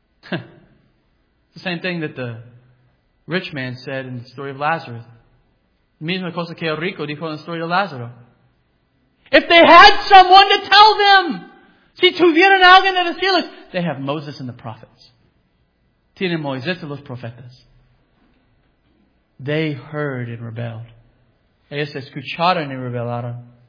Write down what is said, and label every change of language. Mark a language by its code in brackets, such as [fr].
[en] It's the same thing that the rich man said in the story of Lazarus. [es] Misma cosa que el rico dijo en la historia de Lázaro. [en] If they had someone to tell them, [es] si tuvieran alguien de decirles, [en] they have Moses and the prophets. [es] Tienen Moisés y los profetas. [en] They heard and rebelled. [es] Ellos escucharon y rebelaron.